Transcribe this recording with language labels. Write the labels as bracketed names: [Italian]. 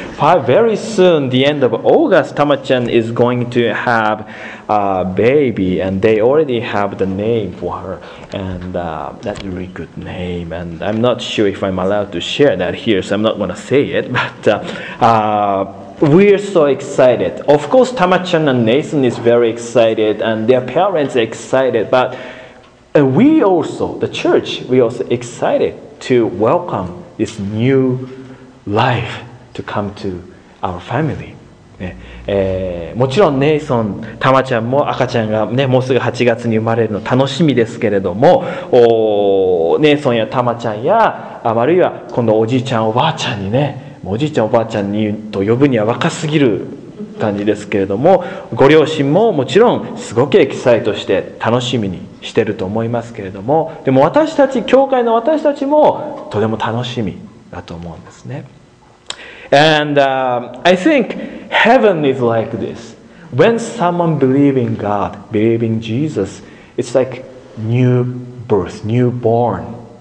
[English] Very soon, the end of August, Tamachan is going to have a baby, and they already have the name for her, and that's a really good name, and I'm not sure if I'm allowed to share that here, so I'm not going to say it, but we're so excited. Of course, Tamachan and Nathan is very excited, and their parents are excited, but we also, the church, we also excited to welcome this new life. To come to our family. ね、 [Japanese] もちろんネイソン、タマちゃんも赤ちゃんが、ね、もうすぐ8月に生まれるの楽しみですけれども、ネイソンやタマちゃんや、あるいは今度おじいちゃんおばあちゃんにね、おじいちゃんおばあちゃんにと呼ぶには若すぎる感じですけれども、ご両親ももちろんすごくエキサイトして楽しみにしてると思いますけれども、でも私たち、教会の私たちもとても楽しみだと思うんですね。 [English] And I think heaven is like this. When someone believes in God, believes in Jesus, it's like new birth, newborn.